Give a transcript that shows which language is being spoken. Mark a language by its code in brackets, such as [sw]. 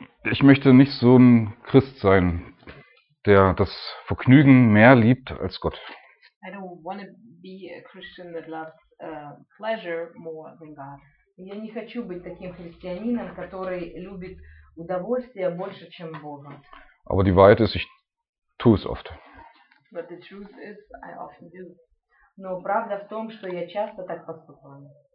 [de] Ich möchte nicht so ein Christ sein, der das Vergnügen mehr liebt als Gott. [en] I don't want to be a Christian that loves pleasure more than God. [ru] Я не хочу быть таким христианином, который любит удовольствие больше, чем Бога. [de] Aber die Wahrheit ist, ich tue es oft. [en] But the truth is, I often do. [ru] Но правда в том, что я часто так поступаю.